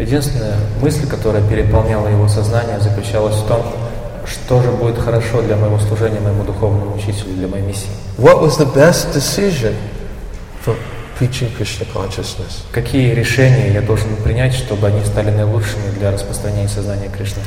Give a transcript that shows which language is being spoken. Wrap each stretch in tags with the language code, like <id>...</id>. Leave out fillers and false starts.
<ru>Единственная мысль, которая переполняла его сознание, заключалась в том, что же будет хорошо для моего служения моему духовному учителю, для моей миссии.</ru> <en>What was the best decision preaching Krishna consciousness.</en> <ru>Какие решения я должен принять, чтобы они стали наилучшими для распространения сознания Кришны?</ru>